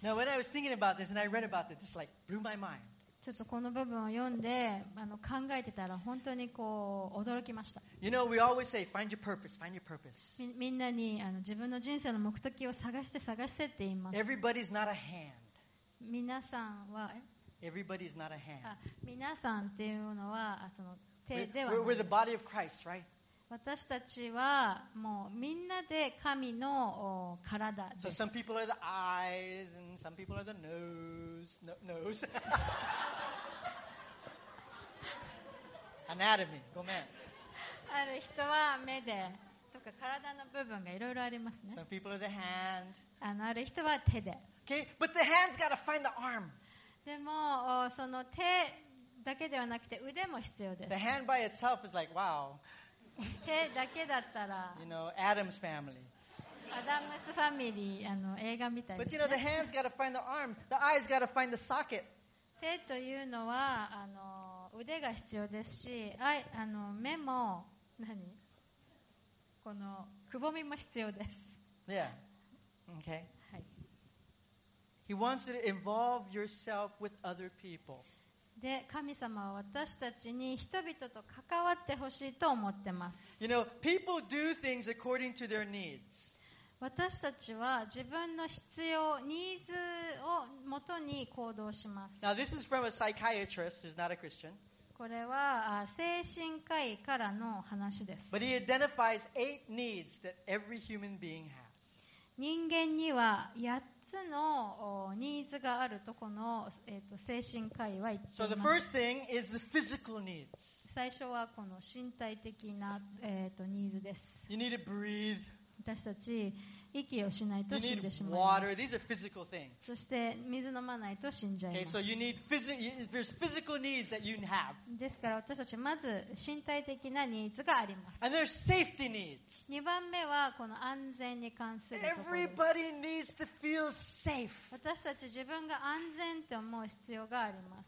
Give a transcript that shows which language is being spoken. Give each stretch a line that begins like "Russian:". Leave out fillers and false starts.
English: Now, when I was thinking about this and I read about it, it just like blew my mind.
Japanese: ちょっとこの部分を読んで、あの、考えてたら本当にこう驚きました。
English: You know, we always say, find your purpose, find your purpose.
Japanese: みんなに、あの、自分の人生の目的を探して探してって言います。
English: Everybody's not a hand.
Japanese: 皆さんは、
English: Everybody's not a hand.
Japanese: 皆さんっていうのは、その手では
English: ない。We're the body of Christ, right?
Japanese: 私たちはもうみんなで神の体です。
English: So some people are the eyes and some people are the nose. No, nose. Anatomy.
Japanese: ごめん。ある人は目でとか体の部分がいろいろありますね。
English: Some people are the hand.
Japanese: あの、ある人は手で。
English: Okay, but the hand's got to find the arm.
Japanese: でも、その手だけではなくて腕も必要です。
English: The hand by itself is like, wow.
Japanese: 手だけだったら、
English: you know, Adam's family.
Japanese: アダムスファミリー、あの、映画みたいですね。
English: But you know, the hands gotta find the arm, the eyes gotta find the socket.
Japanese: 手というのは、あの、腕が必要ですし、あの、目も、何？このくぼみも必要です。
English: Yeah. Okay.
Japanese: はい。
English: He wants you to involve yourself with other people.
Japanese: で、神様は私たちに人々と関わってほしいと思ってます。
English: You know, people do things according to their needs.
Japanese: 私たちは自分の必要、ニーズをもとに行動します。
English: Now, this is from a psychiatrist who's not a Christian.
Japanese: これは精神科医からの話です。
English: But he identifies eight needs that every human being has.
Japanese: 人間には8つのニーズがあるとこの、精神科医は言っています。
English: So the first thing is the physical needs.
Japanese: 最初はこの身体的な、ニーズです。
English: You need to breathe.
Japanese: 私たち息をしないと死んでしまいます
English: 。 You need water. These are physical things.
Japanese: そして水飲まないと死んじゃいます。
English: Okay, so you need there's physical needs that you have.
Japanese: ですから私たちまず身体的なニーズがあります。
English: And there's safety needs.
Japanese: 2番目はこの安全に関するところです。
English: Everybody needs to feel safe.
Japanese: 私たち自分が安全と思う必要があります。